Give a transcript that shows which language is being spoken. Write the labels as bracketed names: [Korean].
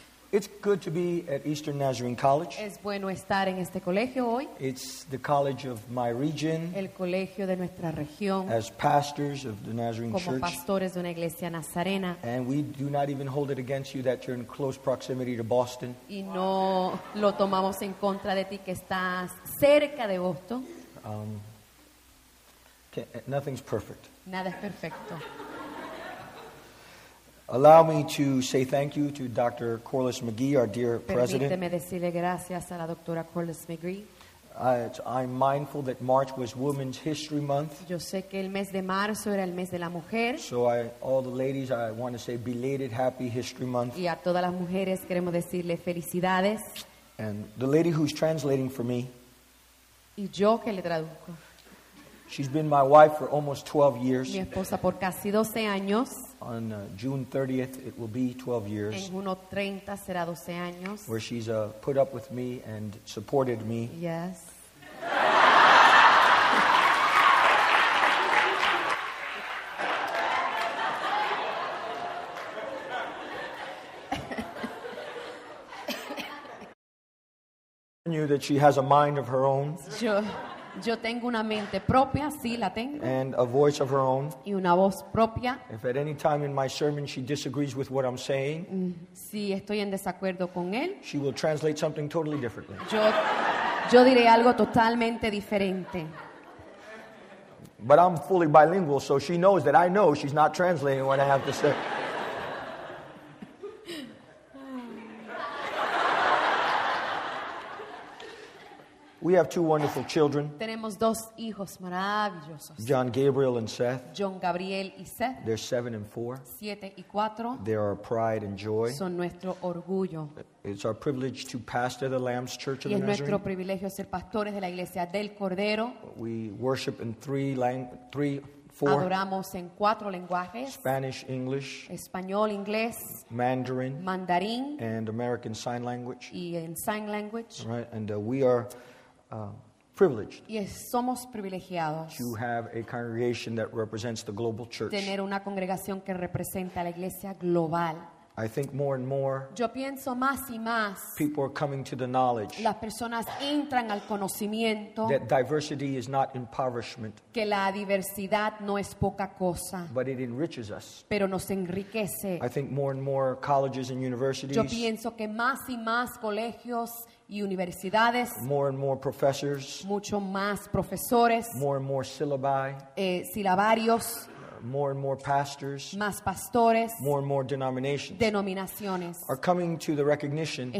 [English] It's good to be at Eastern Nazarene College. [Spanish] Es bueno estar en este colegio hoy. [English] It's the college of my region. [Spanish] El colegio de nuestra región. [English] As pastors of the Nazarene [Spanish] Como [English] Church. [Spanish] Pastores de una iglesia nazarena. [English] And we do not even hold it against you that you're in close proximity to Boston. [Spanish] Y no lo tomamos en contra de ti que estás cerca de Boston. [English] Nothing's perfect. [Spanish] Nada es perfecto. [English] Allow me to say thank you to Dr. Corliss McGee, our dear president. [Spanish] Permíteme decirle gracias a la doctora Corliss McGee. [English] I'm mindful that March was Women's History Month. [Spanish] Yo sé que el mes de marzo era el mes de la mujer. [English] So I, all the ladies, I want to say belated Happy History Month. [Spanish] Y a todas las mujeres queremos decirle felicidades. [English] And the lady who's translating for me. [Spanish] Y yo que le traduzco. [English] She's been my wife for almost 12 years. [Spanish] Mi esposa por casi 12 años. [English] On June 30th, it will be 12 years. [Spanish] En junio 30 será 12 años. [English] Where she's put up with me and supported me. Yes. I knew that she has a mind of her own. [Spanish] Yo tengo una mente propia, sí la tengo. [English] And a voice of her own. [Spanish] Y una voz propia. [English] If at any time in my sermon she disagrees with what I'm saying, [Spanish] si estoy en desacuerdo con él, [English] she will translate something totally differently. [Spanish] Yo diré algo totalmente diferente. [English] But I'm fully bilingual, so she knows that I know she's not translating what I have to say. We have two wonderful children. [Spanish] Tenemos dos hijos maravillosos. [English] John Gabriel and Seth. [Spanish] John Gabriel y Seth. [English] They're 7 and 4. [Spanish] 7 y 4. [English] They're our pride and joy. [Spanish] Son nuestro orgullo. [English] It's our privilege to pastor the Lamb's Church of [Spanish] y es [English] the Nazarene. [Spanish] Nuestro privilegio ser pastores de la Iglesia del Cordero. [English] We worship in four. [Spanish] Adoramos en cuatro lenguajes. [English] Spanish, English. [Spanish] Español, inglés. [English] Mandarin. [Spanish] Mandarín. [English] And American Sign Language. [Spanish] Y en Sign Language. [English] Right, and we are privileged. Yes, [Spanish] somos privilegiados. [English] To have a congregation that represents the global church. [Spanish] Tener una congregación que representa la iglesia global. [English] I think more and more. [Spanish] Yo pienso más y más. [English] People are coming to the knowledge. [Spanish] Las personas entran al conocimiento. [English] That diversity is not impoverishment. [Spanish] Que la diversidad no es poca cosa. [English] But it enriches us. [Spanish] Pero nos enriquece. [English] I think more and more colleges and universities. [Spanish] Yo pienso que más y más colegios y universidades, [English] more and more professors, [Spanish] mucho más profesores, [English] more and more syllabi, [Spanish] silabarios, [English] more and more pastors, [Spanish] más pastores, [English] more and more denominations, [Spanish] denominaciones, [English] are coming to the recognition,